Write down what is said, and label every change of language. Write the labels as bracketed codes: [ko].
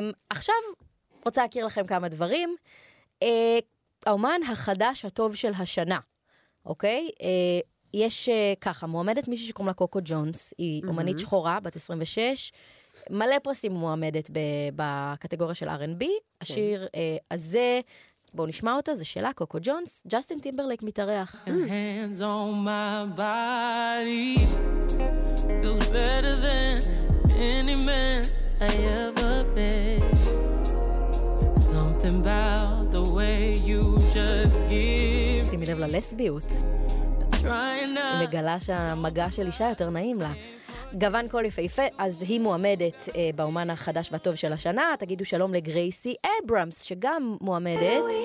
[he] עכשיו רוצה להכיר לכם כמה דברים. האומן החדש הטוב של השנה, אוקיי? יש ככה, מועמדת מישהי שקוראים לה קוקו ג'ונס, היא אומנית שחורה, בת 26, מלא פרסים מועמדת בקטגוריה של R&B, השיר הזה, בואו נשמע אותו, זה שאלה, קוקו ג'ונס, ג'סטין טימברלייק מתארח. [en] Hands on my body Feels better than any man I ever been. Something about the way you just give. [he] שימי לב ללסביות. מגלה שהמגע של אישה יותר נעים לה. גוון קול יפהפה, אז היא מועמדת באומן החדש והטוב של השנה. תגידו שלום לגרייסי אברמס, שגם מועמדת.